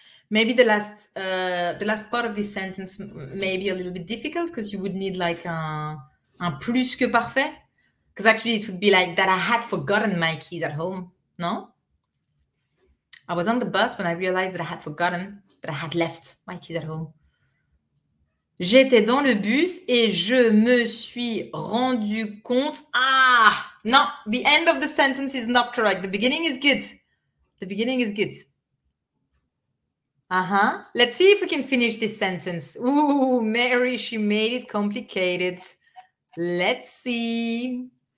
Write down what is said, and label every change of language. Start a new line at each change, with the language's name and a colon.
English: Maybe the last part of this sentence may be a little bit difficult because you would need like
French: un plus que parfait.
English: Because actually it would be like that I had forgotten my keys at home. No? I was on the bus when I realized that I had forgotten, that I had left my keys at home.
French: J'étais dans le bus et je me suis rendu compte. Ah!
English: No, the end of the sentence is not correct. The beginning is good. The beginning is good. Uh-huh. Let's see if we can finish this sentence. Ooh, Mary, she made it complicated. Let's see.